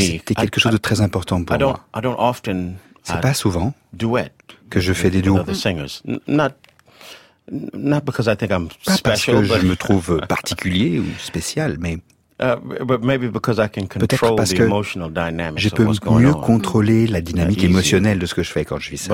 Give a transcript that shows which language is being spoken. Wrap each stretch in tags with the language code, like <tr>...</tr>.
<fr>C'était quelque chose de très important pour moi.</fr> <en>I don't often.</en> <fr>C'est pas souvent.</fr> <en>Duet.</en> <fr>Que je fais des duos.</fr> <en>Not because I think I'm</en> <fr>pas</fr> <en>special.</en> <fr>Parce que je me trouve particulier ou spécial, mais.</fr> <en>But maybe because I can control the emotional dynamics.</en> <fr>Je peux mieux</fr> <en>on.</en> <fr>Contrôler la dynamique émotionnelle de ce que je fais quand je vis ça.</fr>